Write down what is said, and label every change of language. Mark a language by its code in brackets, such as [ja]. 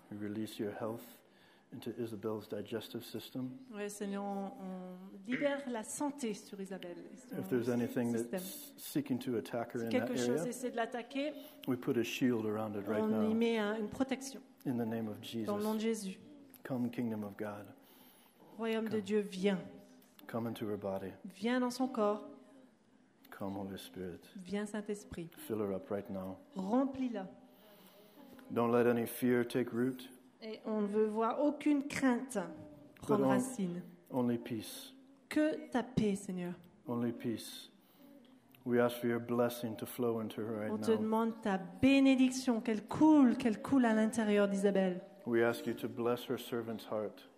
[en] We release your health into Isabelle's digestive system. [fr] Oui, Seigneur, on libère la santé sur Isabelle. [en] If there's anything that's seeking to attack her [fr] si [en] in that area, [fr] quelque chose essaie de l'attaquer, [en] we put a shield around it right now. [fr] On y met une protection. [en] In the name of Jesus. [fr] Dans le nom de Jésus. [en] Come, kingdom of God. [fr] Royaume de Dieu, viens. [en] Come into her body. [fr] Viens dans son corps. [en] Come, Holy Spirit. [fr] Viens, Saint-Esprit. [en] Fill her up right now. [fr] Remplis-la. [en] Don't let any fear take root. [fr] Et on ne veut voir aucune crainte prendre racine. [en] Only peace. [fr] Que ta paix, Seigneur. [en] Only peace. We ask for your blessing to flow into her right on now. [fr] On te demande ta bénédiction, qu'elle coule à l'intérieur d'Isabelle. [en] We ask you to bless her servant's heart.